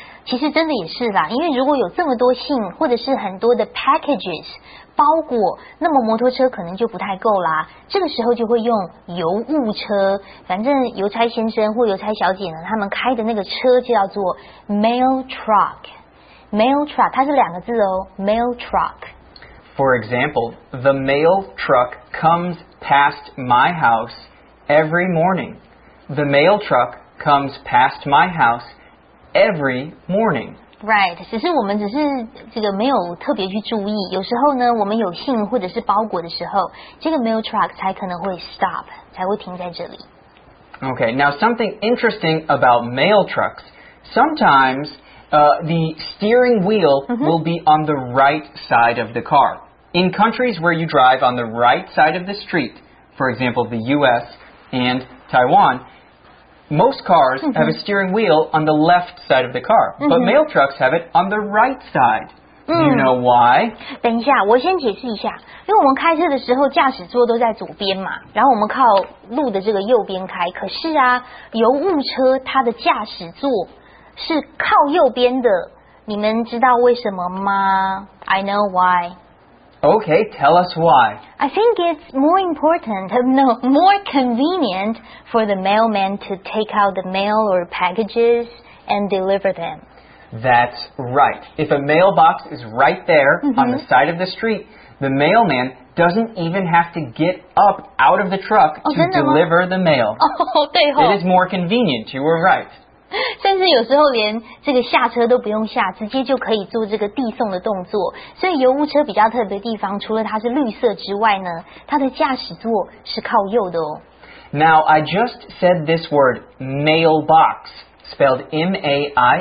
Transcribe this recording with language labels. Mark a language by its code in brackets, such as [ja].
[zh] 其实真的也是啦，因为如果有这么多信或者是很多的 packages 包裹，那么摩托车可能就不太够啦，这个时候就会用邮物车，反正邮差先生或邮差小姐呢，他们开的那个车就叫做 mail truck， mail truck 它是两个字哦， mail truck。 [en] For example, the mail truck comes past my house every morning. The mail truck comes past my houseEvery morning. Right. [zh] 只是我们只是这个没有特别去注意。有时候呢，我们有信或者是包裹的时候，这个 mail truck 才可能会 stop， 才会停在这里。 [en] Okay. Now something interesting about mail trucks. Sometimes, the steering wheel will be on the right side of the car. In countries where you drive on the right side of the street, for example, the U.S. and Taiwan. Most cars have a steering wheel on the left side of the car, but mail trucks have it on the right side. Do you know why? [zh] 等一下，我先解释一下。因为我们开车的时候，驾驶座都在左边嘛，然后我们靠路的这个右边开。可是啊，油物车它的驾驶座是靠右边的。你们知道为什么吗？ [en] I know why. Okay, tell us why. I think it's more important, no, more convenient for the mailman to take out the mail or packages and deliver them. That's right. If a mailbox is right there on the side of the street, the mailman doesn't even have to get up out of the truck to deliver the mail. [zh] Oh, 对哦。 [en] It is more convenient, you were right. [zh] 甚至有时候连这个下车都不用下，直接就可以做这个递送的动作。所以油污车比较特别的地方，除了它是绿色之外呢，它的驾驶座是靠右的哦。 [en] Now, I just said this word, mailbox, spelled M-A-I-L-B-O-X.